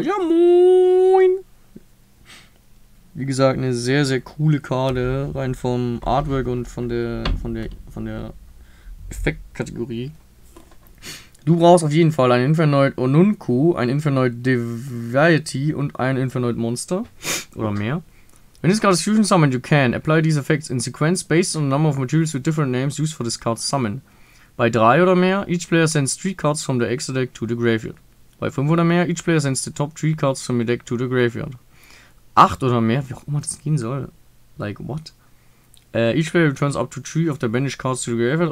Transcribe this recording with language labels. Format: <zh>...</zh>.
<de>Ja, moin. Wie gesagt, eine sehr, sehr coole Karte, rein vom Artwork und von der Effektkategorie. Du brauchst auf jeden Fall ein Infernoid Onunku, ein Infernoid Deviety und ein Infernoid Monster oder mehr.</de> <en>When this card is fusion summoned, you can apply these effects in sequence based on the number of materials with different names used for this card summon.</en> <de>Bei 3 oder mehr,</de> <en>each player sends 3 cards from the extra deck to the graveyard.</en> <de>Bei 5 oder mehr,</de> <en>each player sends the top 3 cards from the deck to the graveyard.</en> <de>8 oder mehr, wie auch immer das gehen soll.</de> <en>Like, what? Each player returns up to 3 of the banished cards to the graveyard.</en>